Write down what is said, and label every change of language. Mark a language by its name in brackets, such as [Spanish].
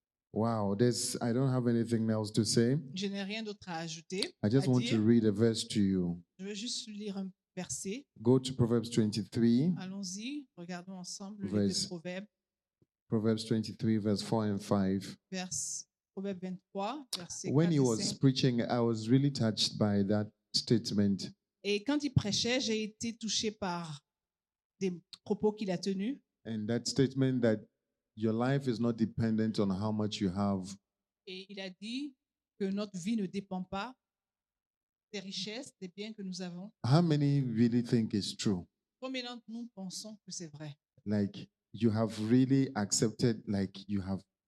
[English] Wow, I don't have anything else to say. [French] Je n'ai rien d'autre à ajouter. [English] I just [French] à [English] want [French] dire. [English] To read a verse to you. [French] Je veux juste lire un verset. [English] Go to Proverbs 23. [French] Allons-y, regardons ensemble le livre de Proverbes. [English] Proverbs 23, verse 4 and 5. [French] Proverbes 23, verset 4 [English] when [French] et 5. [English] He was preaching, I was really touched by that statement. [French] Et quand il prêchait, j'ai été touché par des propos qu'il a tenus. [English] And that statement that your life is not dependent on how much you have. [French] Et il a dit que notre vie ne dépend pas des richesses, des biens que nous avons. [English] How many really think it's true? [French] Combien d'entre nous pensons que c'est vrai? [English] Like you have really accepted, like you have